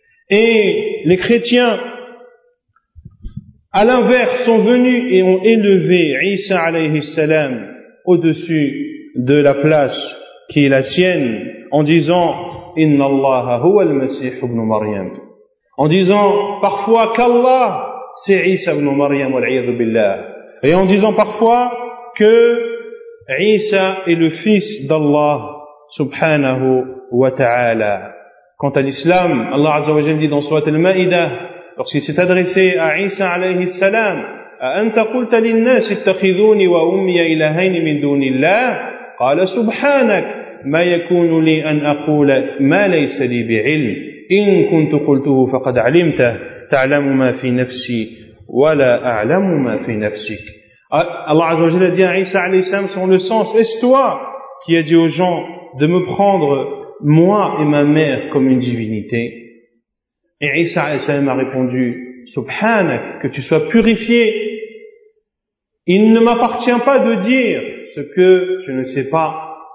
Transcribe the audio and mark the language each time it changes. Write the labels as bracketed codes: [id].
[fr] Et les chrétiens, à l'inverse, sont venus et ont élevé Isa alayhi salam au-dessus de la place qui est la sienne, en disant « [ar] Inna Allah huwa al-Masih ibn Maryam [fr] » en disant parfois qu'Allah c'est Isa ibn Maryam wal'iyadu billah, et en disant parfois que Isa est le fils d'Allah subhanahu wa ta'ala. Quant à l'islam, Allah Azza wa Jalla dit dans Sourate Al-Ma'idah, lorsqu'il s'est adressé à Isa alayhi salam, [ar] أأنت قلت للناس اتخذوني وأمي إلهين من دون الله قال سبحانك ما يكون لي أن أقول ما ليس لي بعلم إن كنت قلته فقد علمته تعلم ما في نفسي ولا أعلم ما في نفسك. الله عز وجل [fr] dit à Isa alayhi salam sur le sens, est-ce toi qui as dit aux gens de me prendre moi et ma mère comme une divinité? Et Isa alayhi salam a répondu, Subhanak, que tu sois purifié. Il ne m'appartient pas de dire ce que je ne sais pas.